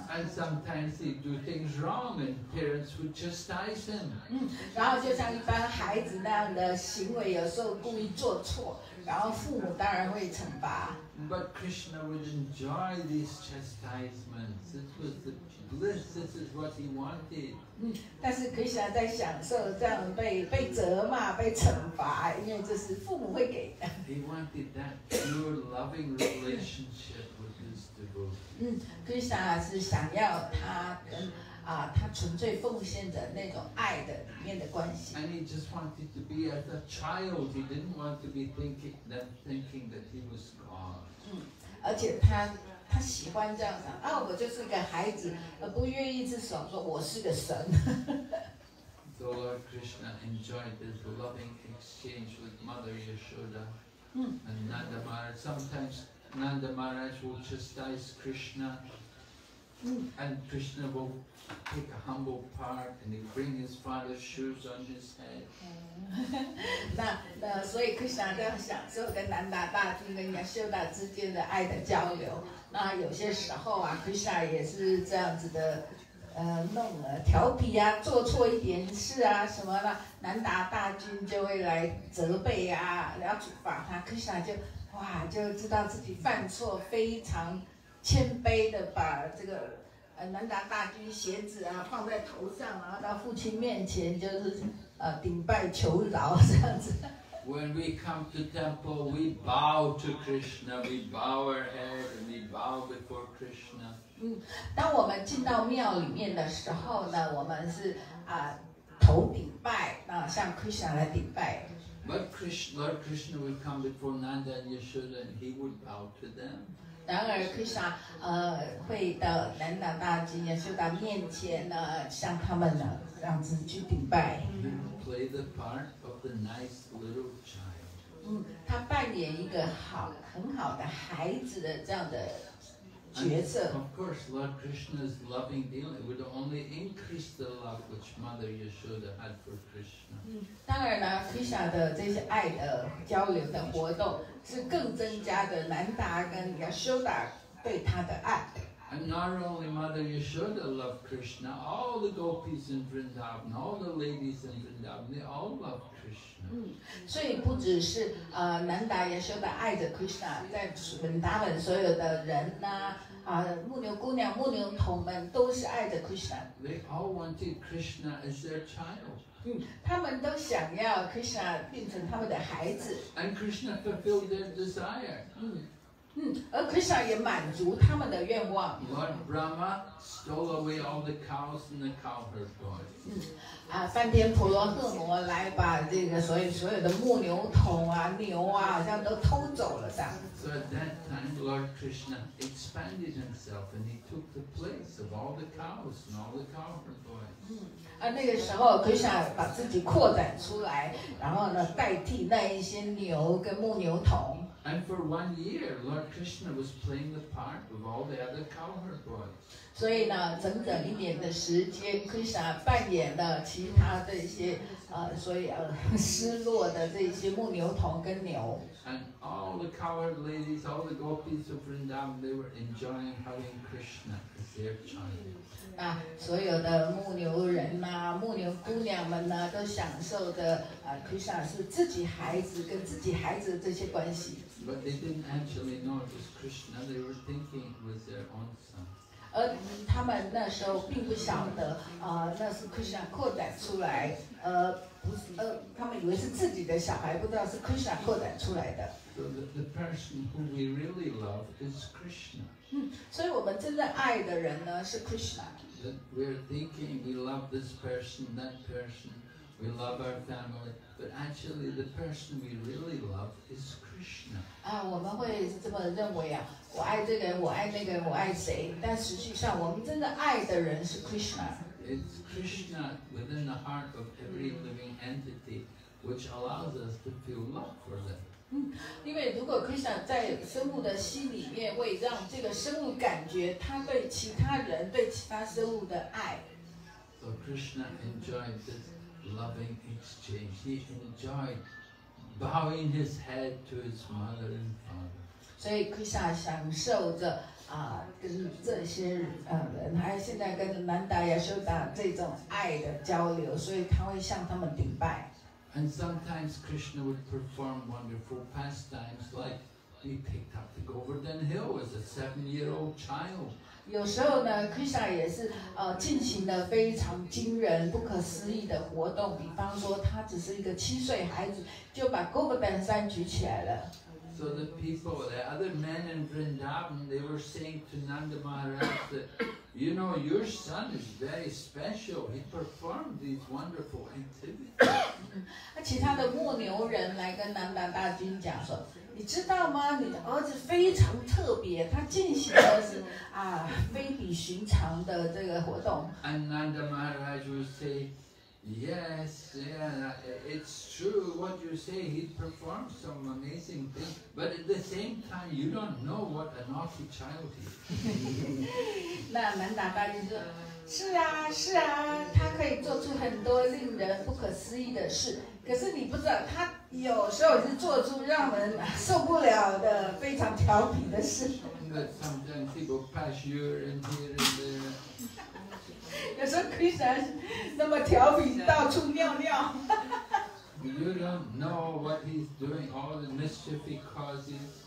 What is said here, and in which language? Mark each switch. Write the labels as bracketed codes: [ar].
[en] And sometimes he'd do things wrong, and parents would chastise him. [zh] 然后就像一般孩子那样的行为，有时候故意做错。然后父母当然会惩罚。 [en] But Krishna would enjoy these chastisements. This was the bliss. This is what he wanted. [zh] 但是 Krishna 在享受这样被责骂、被惩罚，因为这是父母会给的。 [en] He wanted that pure loving relationship with his devotee. [zh] Krishna 是想要他跟他纯粹奉献的那种爱的里面的关系。 [en] And he just wanted to be as a child. He didn't want to be thinking that he was God. [zh] 而且他喜欢这样想，啊，我就是个孩子，而不愿意自首，说我是个神。 [en] The Lord Krishna enjoyed this loving exchange with Mother Yashoda and Nanda Maharaj. Sometimes Nanda Maharaj will chastise Krishna and Krishna will take a humble part and he'll bring his father's shoes on his head. [zh] 那所以 Krishna 都要享受跟南达大帝跟 Yashoda 之间的爱的交流。那有些时候啊 Krishna 也是这样子的弄了调皮啊，做错一点事啊什么的，南达大军就会来责备啊，要处罚他。克夏就哇，就知道自己犯错，非常谦卑的把这个南达大军鞋子啊放在头上，然后到父亲面前就是顶拜求饶这样子。 [en] When we come to temple, we bow to Krishna. We bow our head and we bow before Krishna. [zh] 当我们进到庙里面的时候呢，我们是头顶拜，向 Krishna 来顶拜。 [en] But Lord Krishna would come before Nanda and Yashoda, and he would bow to them. [zh] 然而 Krishna 会到南达大吉耶稣的面前呢，向他们呢这样子去顶拜。 [en] Play the part of the nice little child. [zh] 他扮演一个很好的孩子的这样的角色。 [en] And of course, Lord Krishna's loving dealing would only increase the love which Mother Yashoda had for Krishna. [zh] 当然呢 ，Krishna 的这些爱的交流的活动是更增加的南达跟 Yashoda 对他的爱。 [en] And not only Mother Yashoda loved Krishna, all the gopis in Vrindavan, all the ladies in Vrindavan, they all loved Krishna. [zh] 所以不只是南达耶修达爱着 Krishna， 在 Vrindavan 所有的人呢，牧牛姑娘、牧牛童们都是爱着 Krishna。 [en] They all wanted Krishna as their child. [zh] 他们都想要 Krishna 变成他们的孩子。 [en] And Krishna fulfilled their desire. [zh] 而 Krishna 也满足他们的愿望。 [en] Lord Brahma stole away all the cows and the cowherd boys. [zh] 梵天婆罗赫摩来把这个所有的牧牛童啊、牛啊，好像都偷走了的。 [en] So at that time, Lord Krishna expanded himself and he took the place of all the cows and all the cowherd boys. [zh] 那个时候 ，Krishna 把自己扩展出来，然后呢，代替那一些牛跟牧牛童。 [en] And for 1 year, Lord Krishna was playing the part of all the other cowherd boys. [zh] 所以呢，整整一年的时间 ，Krishna 扮演了其他这些失落的这些牧牛童跟牛。 [en] And all the cowherd ladies, all the gopis of Vrindavan, they were enjoying having Krishna as their child. [zh] 所有的牧牛人呐、牧牛姑娘们呢，都享受的Krishna 是自己孩子跟自己孩子的这些关系。 [en] But they didn't actually know it was Krishna. They were thinking it was their own son. [zh] 而他们那时候并不晓得，那是 Krishna 扩展出来，他们以为是自己的小孩，不知道是 Krishna 扩展出来的。 [en] So the person who we really love is Krishna. [zh] 所以我们真正爱的人呢是 Krishna. [en] That we're thinking we love this person, that person. We love our family. But actually, the person we really love is Krishna. [zh] 我们会这么认为啊，我爱这个，我爱那个，我爱谁？但实际上，我们真的爱的人是 Krishna. [en] It's Krishna within the heart of every living entity, which allows us to feel love for them. [zh] 因为如果 Krishna 在生物的心里面，会让这个生物感觉他对其他人、对其他生物的爱。 [en] So Krishna enjoys this. Loving exchange. He enjoyed bowing his head to his mother and father. [zh] So Krishna 享受着跟这些人，还现在跟南达耶修达这种爱的交流，所以他会向他们顶拜。 [en] And sometimes Krishna would perform wonderful pastimes, like he picked up the Govardhan Hill as a 7-year-old child. [zh] 有时候呢 ，Krishna 也是进行的非常惊人、不可思议的活动。比方说，他只是一个7岁孩子，就把 Govardhan 山举起来了。 [en] So the people, the other men in Vrindavan, they were saying to Nanda Maharaj that, you know, your son is very special. He performed these wonderful activities. [zh] 其他的牧牛人来跟南达大军讲说，你知道吗？你的儿子非常特别，他进行的是啊非比寻常的这个活动。 [en] Ananda Maharaj would say, "Yes, yeah, it's true what you say. He performed some amazing things, but at the same time, you don't know what a naughty child he is." [zh] 那南达巴就说。是啊是啊，他可以做出很多令人不可思议的事，可是你不知道他有时候是做出让人受不了的非常调皮的事。 [en] Sometimes people pass you and here and there. [zh] 有时候 Krishna 那么调皮到处尿尿。 [en] You don't know what he's doing, all the mischief he causes.